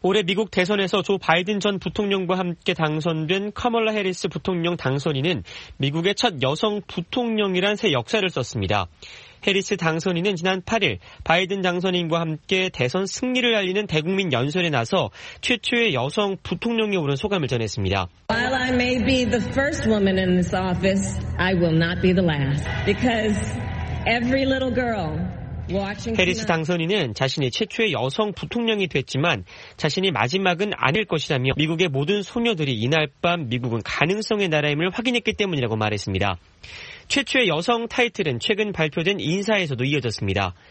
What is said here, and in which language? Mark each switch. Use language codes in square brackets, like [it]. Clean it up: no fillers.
[ko] 올해 미국 대선에서 조 바이든 전 부통령과 함께 당선된 카멀라 해리스 부통령 당선인은 미국의 첫 여성 부통령이란 새 역사를 썼습니다. 해리스 당선인은 지난 8일 바이든 당선인과 함께 대선 승리를 알리는 대국민 연설에 나서 최초의 여성 부통령에 오른 소감을 전했습니다. [en] While I may be the first woman in this office, I will not be the last. Because every little girl watching. [ko] 해리스 당선인은 자신이 최초의 여성 부통령이 됐지만 자신이 마지막은 아닐 것이라며 미국의 모든 소녀들이 이날 밤 미국은 가능성의 나라임을 확인했기 때문이라고 말했습니다. 최초의 여성 타이틀은 최근 발표된 인사에서도 이어졌습니다.